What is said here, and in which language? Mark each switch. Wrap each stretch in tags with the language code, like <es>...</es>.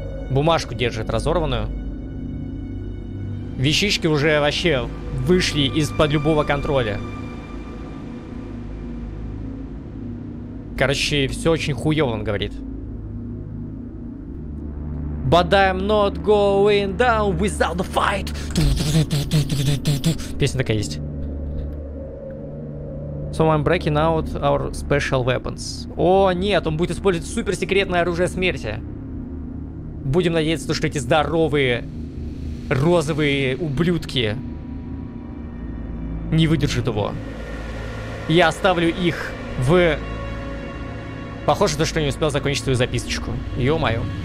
<ru>Бумажку держит разорванную. Вещички уже вообще вышли из-под любого контроля. Короче, все очень хуёво, он говорит.</ru> <en>But I'm not going down without a fight.</en> <ru>Песня такая есть.</ru> <en>So I'm breaking out our special weapons.</en> <ru>О, нет, он будет использовать суперсекретное оружие смерти. Будем надеяться, что эти здоровые розовые ублюдки не выдержат его. Я оставлю их в... Похоже, что не успел закончить свою записочку. Ё-моё.</ru>